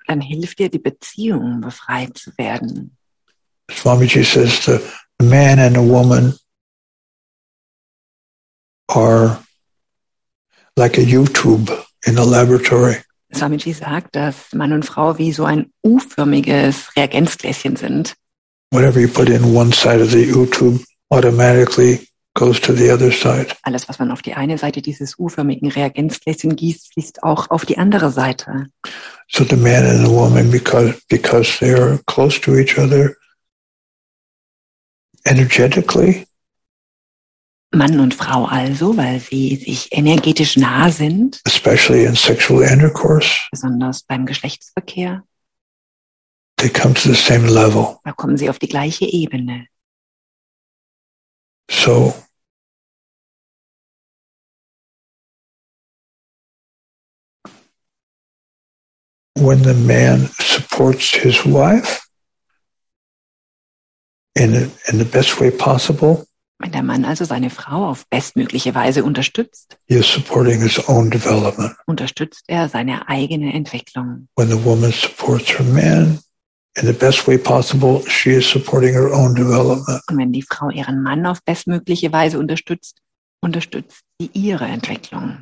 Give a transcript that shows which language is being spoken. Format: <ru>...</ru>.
<de>Dann hilft dir die Beziehung, befreit zu werden.</de> <en>Swamiji says the man and the woman are like a U-tube in a laboratory.</en> <de>Swamiji sagt, dass Mann und Frau wie so ein U-förmiges Reagenzgläschen sind.</de> <en>Whatever you put in one side of the U-tube automatically goes to the other side.</en> <de>Alles, was man auf die eine Seite dieses U-förmigen Reagenzgläschen gießt, fließt auch auf die andere Seite.</de> <en>So the man and the woman, because they are close to each other, energetically.</en> <de>Mann und Frau also, weil sie sich energetisch nah sind.</de> <en>Especially in sexual intercourse.</en> <de>Besonders beim Geschlechtsverkehr.</de> <en>They come to the same level.</en> <de>Da kommen sie auf die gleiche Ebene.</de> <en>So, when the man supports his wife in the best way possible,</en> <de>wenn der Mann also seine Frau auf bestmögliche Weise unterstützt,</de> <en>he is supporting his own development.</en> <de>Unterstützt er seine eigene Entwicklung.</de> <en>When the woman supports her man in the best way possible, she is supporting her own development.</en> <de>Und wenn die Frau ihren Mann auf bestmögliche Weise unterstützt, unterstützt sie ihre Entwicklung.</de>